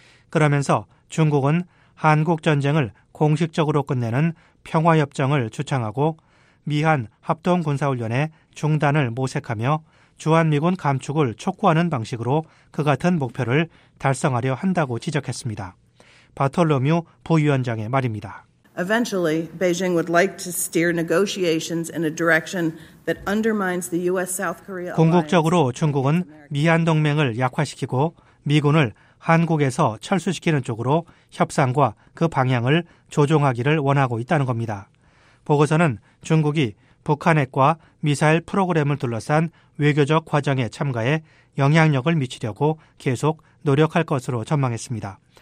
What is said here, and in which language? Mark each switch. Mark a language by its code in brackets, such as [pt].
[ko] 그러면서 중국은 한국전쟁을 공식적으로 끝내는 평화협정을 주창하고 미한 합동군사훈련의 중단을 모색하며 주한미군 감축을 촉구하는 방식으로 그 같은 목표를 달성하려 한다고 지적했습니다. 바톨로뮤 부위원장의 말입니다. [en] Eventually, Beijing would like to steer negotiations in a direction that undermines the U.S.-South Korea alliance. [ko] 궁극적으로 중국은 미한 동맹을 약화시키고 미군을 한국에서 철수시키는 쪽으로 협상과 그 방향을 조종하기를 원하고 있다는 겁니다. 보고서는 중국이 북한 핵과 미사일 프로그램을 둘러싼 외교적 과정에 참가해 영향력을 미치려고 계속 노력할 것으로 전망했습니다.